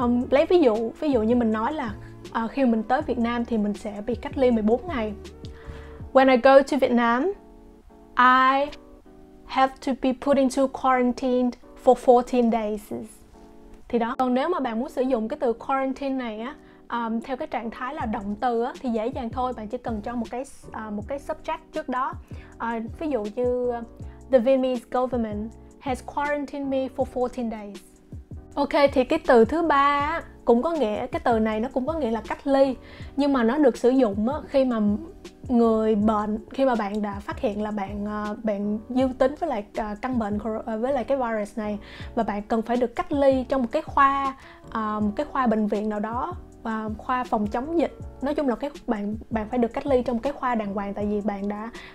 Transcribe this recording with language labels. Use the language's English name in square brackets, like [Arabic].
[Vietnamese] Lấy ví dụ như mình nói là khi mình tới Việt Nam thì mình sẽ bị cách ly 14 ngày. [English] When I go to Vietnam, I have to be put into quarantine for 14 days. [Vietnamese] Thì đó. Còn nếu mà bạn muốn sử dụng cái từ quarantine này á, theo cái trạng thái là động từ á, thì dễ dàng thôi, bạn chỉ cần cho một cái subject trước đó. Ví dụ như [English] the Vietnamese government has quarantined me for 14 days. [Vietnamese] Ok, thì cái từ thứ ba cũng có nghĩa, cái từ này nó cũng có nghĩa là cách ly, nhưng mà nó được sử dụng á, khi mà người bệnh, khi mà bạn đã phát hiện là bạn dương tính với lại căn bệnh, với lại cái virus này, và bạn cần phải được cách ly trong một cái khoa, bệnh viện nào đó, và khoa phòng chống dịch. Nói chung là bạn phải được cách ly trong cái khoa đàng hoàng, tại vì bạn đã